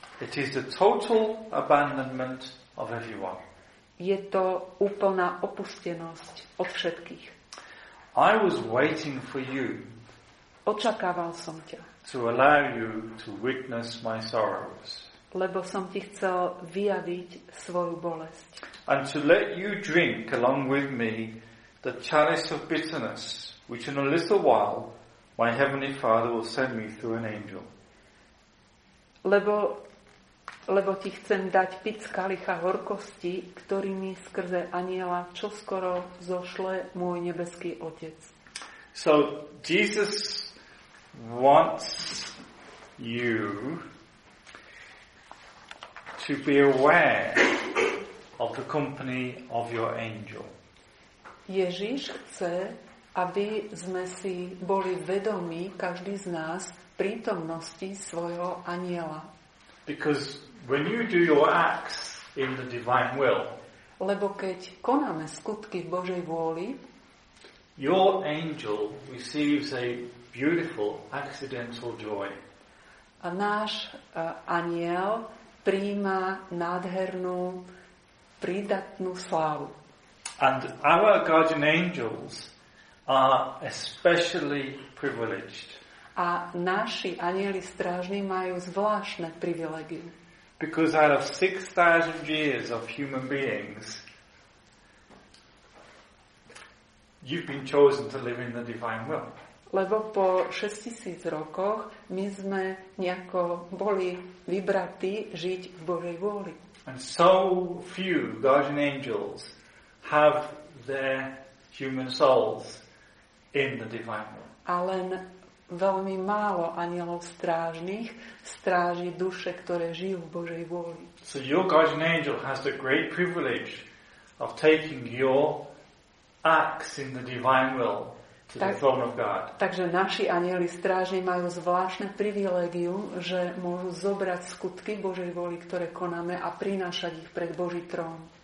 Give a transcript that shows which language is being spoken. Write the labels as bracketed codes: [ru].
[en] It is the total abandonment of everyone. [sk] Je to úplná opustenosť od všetkých. [en] I was waiting for you. [sk] Očakával som ťa. [en] To allow you to witness my sorrows. [sk] Lebo som ti chcel vyjaviť svoju bolesť. [en] And to let you drink along with me the chalice of bitterness, which in a little while my heavenly Father will send me through an angel. [sk] Lebo ti chcem dať piť z kalicha horkosti, ktorý mi skrze aniela čoskoro zošle môj nebeský Otec. [en] So Jesus wants you to be aware of the company of your angel. [sk] Ježiš chce, aby sme si boli vedomí, každý z nás, prítomnosti svojho aniela. [en] Because when you do your acts in the divine will, [sk] lebo keď konáme skutky v Božej vôli, [en] your angel receives a beautiful accidental joy. [sk] A náš aniel prijíma nádhernú prídatnú slávu. [en] And our guardian angels are especially privileged. [sk] A naši anieli strážni majú zvláštne privilegie. [en] Because out of 6,000 years of human beings, you've been chosen to live in the divine will. [sk] Lebo po 6,000 rokoch my sme nejako boli vybratí žiť v Božej vôli. [en] And so few guardian angels have their human souls in the divine will. [sk] A len veľmi málo anielov strážnych stráži duše, ktoré žijú v Božej vôli. [en] So your guardian angel has the great privilege of taking your acts in the divine will to the throne of God. [sk] Takže naši anieli strážni majú zvláštne privilégium, že môžu zobrať skutky Božej vôli, ktoré konáme, a prinášať ich pred Boží trón.